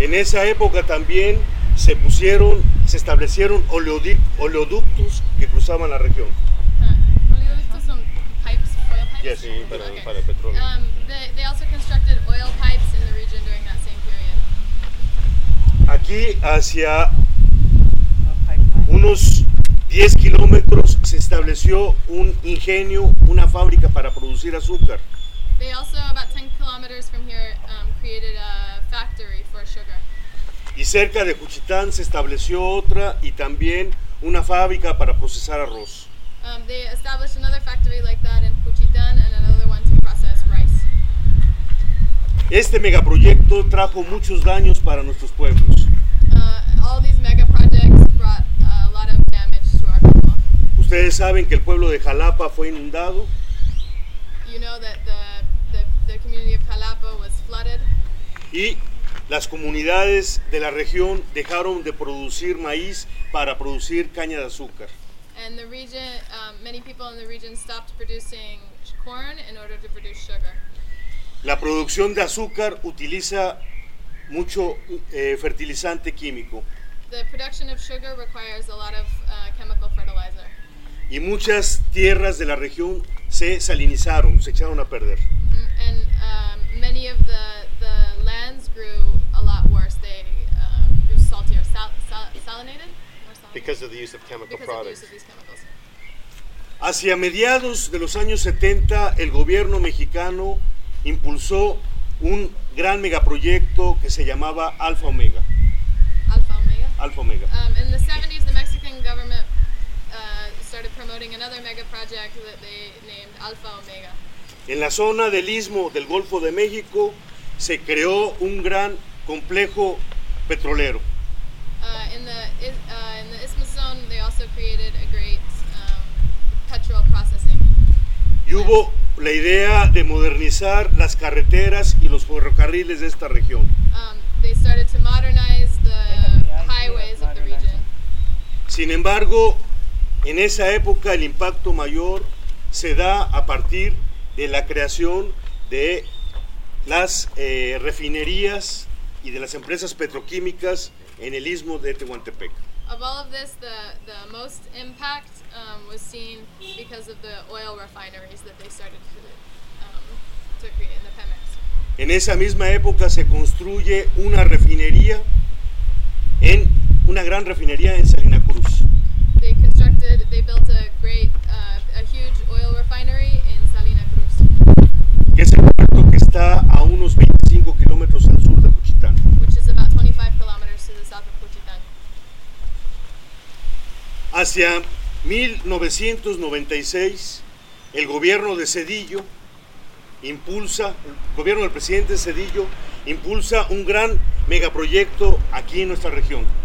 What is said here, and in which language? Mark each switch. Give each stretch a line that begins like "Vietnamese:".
Spanish: En esa época también se pusieron, se establecieron oleoductos que cruzaban la región. Para el petróleo.
English: They also constructed oil pipes in the region during that same period.
Spanish: Aquí hacia unos 10 kilómetros se estableció un ingenio, una fábrica para producir azúcar.
English: They also, about 10 kilometers from here, created a factory for sugar.
Spanish: Y cerca de Juchitán se estableció otra y también una fábrica para procesar arroz.
English: They established another factory like that in Juchitán and another one to process rice.
Spanish: Este megaproyecto trajo muchos daños para nuestros pueblos.
English: All these mega projects brought a lot of damage to our people.
Spanish: Ustedes saben que el pueblo de Jalapa fue inundado.
English: You know that the community of Jalapa was flooded.
Spanish: Y las comunidades de la región dejaron de producir maíz para producir caña de azúcar.
English: And the region, many people in the region stopped producing corn in order to produce sugar.
Spanish: La producción de azúcar utiliza mucho fertilizante químico.
English: The production of sugar requires a lot of chemical fertilizer.
Spanish: Y muchas tierras de la región se salinizaron, se echaron a perder. Mm-hmm.
English: And many of the lands grew a lot worse. They grew saltier, salinated. Because of the use of chemical products.
Spanish: Hacia mediados de los años 70, el gobierno mexicano impulsó un gran megaproyecto que se llamaba Alfa Omega. Alfa Omega. Alfa Omega.
English: In the 70s, the Mexican government started promoting another mega project that they named Alfa Omega.
Spanish: En la zona del Istmo del Golfo de México se creó un gran complejo petrolero.
English: In the Isthmus zone, they also created a great petrol processing.
Spanish: Y hubo la idea de modernizar las carreteras y los ferrocarriles de esta región.
English: They started to modernize the highways of the region.
Spanish: Sin embargo, en esa época el impacto mayor se da a partir de la creación de las refinerías y de las empresas petroquímicas en el Istmo de Tehuantepec.
English: Of all of this, the most impact was seen because of the oil refineries that they started to create in the Pemex.
Spanish: En esa misma época se construye una refinería en una gran refinería en Salina Cruz.
English: They built a great huge oil refinery in Salina Cruz.
Spanish: Que es el puerto que está a unos 25 kilómetros al sur de Juchitán.
English: Which is about 25 kilometers to the south of Juchitán.
Spanish: Hacia 1996, el gobierno de Cedillo impulsa, el gobierno del presidente Cedillo impulsa un gran megaproyecto aquí en nuestra región.